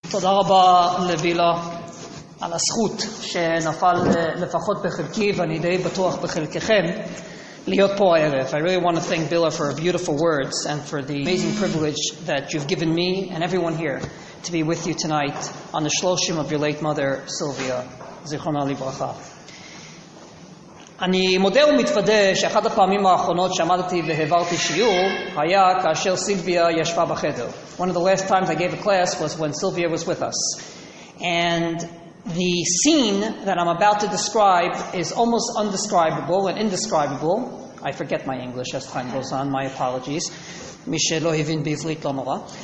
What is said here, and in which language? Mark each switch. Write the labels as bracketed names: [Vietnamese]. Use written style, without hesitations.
[Hebrew] תודה רבה לבילה על הזכות שנפל לפחות בחלקי, ואני די בטוח בחלקכם, להיות פה הערב. [English] I really want to thank Bila for her beautiful words and for the amazing privilege that you've given me and everyone here to be with you tonight on the Shloshim of your late mother, Sylvia, [Hebrew] זיכרונה לברכה. אני מודה ומתוודה שאחת הפעמים האחרונות שעמדתי והעברתי שיעור היה כאשר סילביה ישבה בחדר. [English] One of the last times I gave a class was when Sylvia was with us. And the scene that I'm about to describe is almost undescribable and indescribable. I forget my English as time goes on, my apologies. [Hebrew] מי שלא הבין בעברית לא נורא.